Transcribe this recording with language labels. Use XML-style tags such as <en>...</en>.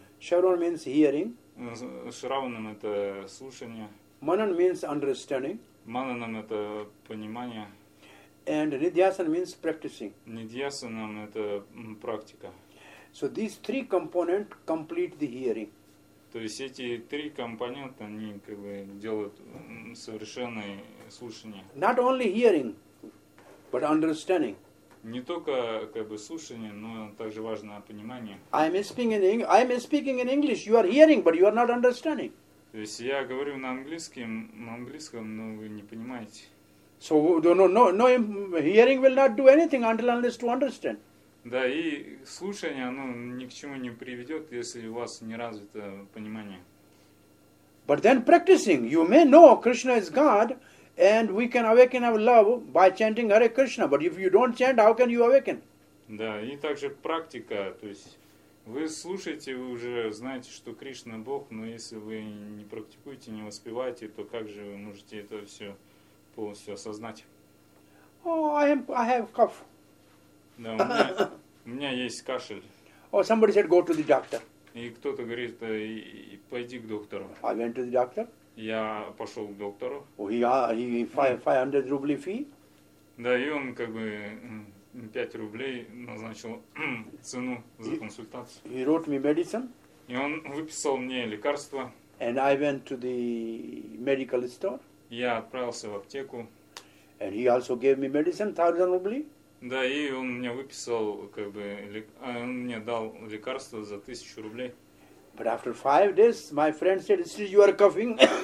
<en>Шарван means hearing.</en> <ru>Шраванам это слушание.</ru> <en>Манан means understanding.</en> <ru>Мананам это понимание.</ru> <en>And Нитьясан means practicing.</en> <ru>Нитьясанам это практика.</ru> <en>So these three components complete the hearing.</en> <ru>То есть эти три компонента, они как бы делают совершенное слушание.</ru> <en>Not only hearing, but understanding.</en> <ru>Не только как бы слушание, но также важно понимание.</ru> <en>I am speaking in English. You are hearing, but you are not understanding.</en> <ru>То есть я говорю на английском, но вы не понимаете.</ru> <en>So no, hearing will not do anything unless to understand.</en> <ru>Да, и слушание, оно ни к чему не приведет, если у вас не развито понимание.</ru> <en>But then practicing, you may know Krishna is God, and we can awaken our love by chanting Hare Krishna. But if you don't chant, how can you awaken?</en> <ru>Да, и также практика, то есть вы слушаете, вы уже знаете, что Кришна Бог, но если вы не практикуете, не воспеваете, то как же вы можете это все полностью осознать?</ru> <en>I have cough.</en> <ru>Да, у меня есть кашель.</ru> <en>Oh, somebody said, go to the doctor.</en> <ru>И кто-то говорит, пойди к доктору.</ru> <en>I went to the doctor.</en> <ru>Я пошел к доктору.</ru> <en>Oh, he 500 рублей fee.</en> <ru>Да, и он как бы 5 рублей назначил цену за консультацию.</ru> <en>He wrote me medicine.</en> <ru>И он выписал мне лекарства.</ru> <en>And I went to the medical store.</en> <ru>Я отправился в аптеку.</ru> <en>And he also gave me medicine, 1000 рублей.</en> <ru>Да, и он мне выписал, как бы, он мне дал лекарство за 1000 рублей.</ru> <en>But after 5 days, my friend said, still you are coughing.</en>